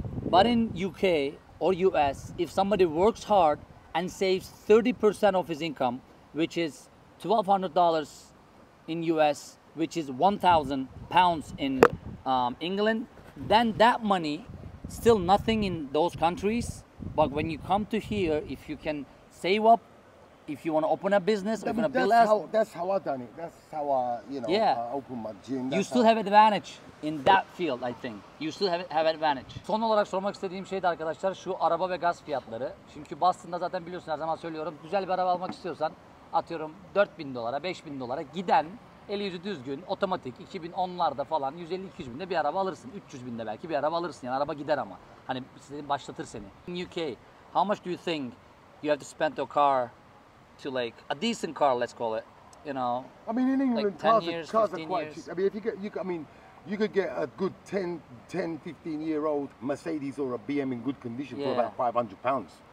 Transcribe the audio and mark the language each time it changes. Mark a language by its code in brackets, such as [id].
[en] But in UK, or US, if somebody works hard and saves 30% of his income, which is $1,200 in US, which is 1,000 pounds in England, then that money, still nothing in those countries, but when you come to here, if you can save up, if you want to open a business, that you're going to build a house. That's how I've done it. That's how I opened my gym. That's you still have advantage in that field, I think. You still have advantage. [tr] Son olarak sormak istediğim şey de arkadaşlar şu araba ve gaz fiyatları. Çünkü Boston'da zaten biliyorsun her zaman söylüyorum. Güzel bir araba almak istiyorsan atıyorum 4000 dolara, 5000 dolara giden eli yüzü düzgün, otomatik 2010'larda falan 150-200 binde bir araba alırsın. 300 binde belki bir araba alırsın. Yani araba gider ama. Hani başlatır seni. [en] In UK, how much do you think you have to spend your car to like a decent car, let's call it, you know. I mean, in England, like cars are quite cheap. I mean, if you get, you could get a good 10-15 year old Mercedes or a BMW in good condition for about £500.